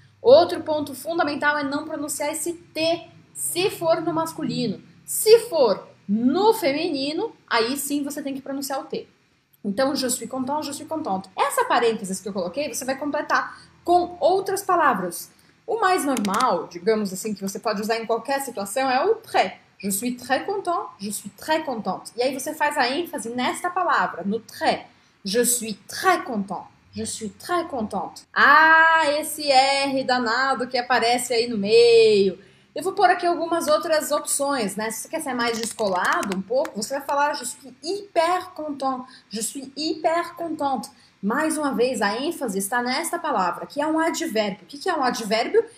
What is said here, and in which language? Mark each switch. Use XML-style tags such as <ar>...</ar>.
<pt>Outro ponto fundamental é não pronunciar esse T, se for no masculino. Se for no feminino, aí sim você tem que pronunciar o T. Então,</pt> <fr>je suis content, je suis contente.</fr> <pt>Essa parênteses que eu coloquei, você vai completar com outras palavras. O mais normal, digamos assim, que você pode usar em qualquer situação é o très.</pt> <fr>Je suis très content, je suis très contente.</fr> <pt>E aí você faz a ênfase nesta palavra, no très.</pt> <fr>Je suis très content, je suis très contente.</fr> <pt>Ah, esse R danado que aparece aí no meio. Eu vou pôr aqui algumas outras opções, né? Se você quer ser mais descolado um pouco, você vai falar</pt> <fr>je suis hyper content, je suis hyper contente.</fr> <pt>Mais uma vez, a ênfase está nesta palavra, que é um advérbio. O que é um advérbio?</pt>